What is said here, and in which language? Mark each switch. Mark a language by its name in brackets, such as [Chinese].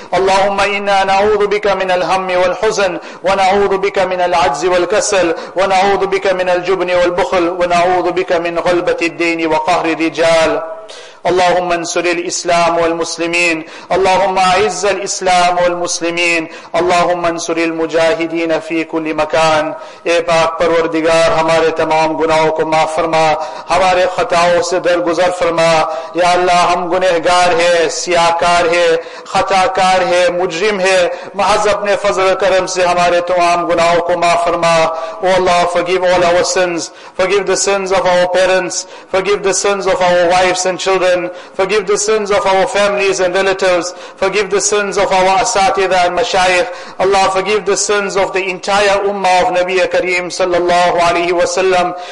[Arabic] اللهم إنا نعوذ بك من الهم والحزن, ونعوذ بك من العجز والكسل, ونعوذ بك من الجبن والبخل, ونعوذ بك من غلبة الدين وقهر الرجال. اللهم انصر الإسلام والمسلمين, اللهم أعز الإسلام والمسلمين, اللهم انصر المجاهدين في كل مكان. [Urdu] اے پاک پروردگار, ہمارے تمام گناہوں کو معاف فرما, ہمارے خطاؤں سے درگزر فرما. یا اللہ, ہم گنہگار ہے, سیاہکار ہے, خطاکار ہے, مجرم ہے, محض اپنے فضل کرم سے ہمارے تمام گناہوں کو معاف فرما. او اللہ, [English] forgive all our sins, forgive the sins of our parents, forgive the sins of our wives and children, forgive the sins of our families and relatives, forgive the sins of our asatidha and mashayikh. Allah, forgive the sins of the entire ummah of Nabiya Kareem sallallahu alayhi wa sallam.